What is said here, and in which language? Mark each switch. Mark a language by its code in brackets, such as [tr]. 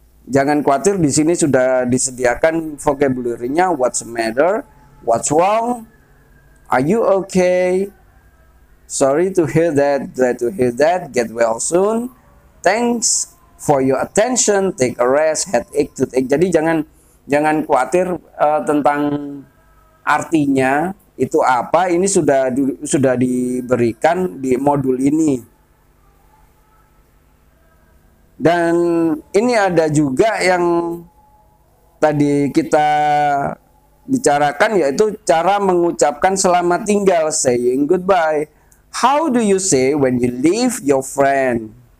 [id] Jangan khawatir, di sini sudah disediakan vocabulary-nya, [en] what's the matter, what's wrong, are you okay, sorry to hear that, glad to hear that, get well soon, thanks for your attention, take a rest, headache, toothache. [id] Jadi jangan khawatir tentang artinya itu apa, ini sudah diberikan di modul ini. Dan ini ada juga yang tadi kita bicarakan, yaitu cara mengucapkan selamat tinggal, [en] saying goodbye. How do you say when you leave your friend?